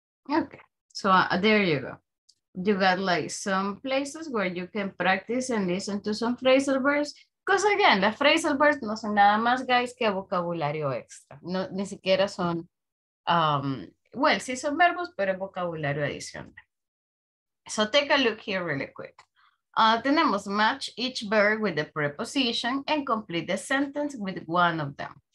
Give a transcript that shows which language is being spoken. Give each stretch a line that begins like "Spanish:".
English: Okay, so there you go. You got like some places where you can practice and listen to some phrasal verbs. Because again,
Spanish: the phrasal verbs no son nada más, guys, que vocabulario extra. No, ni siquiera son, well, sí son verbos, pero es vocabulario adicional.
English: So take a look here really quick. Tenemos match each verb with the preposition and complete the sentence with one of them.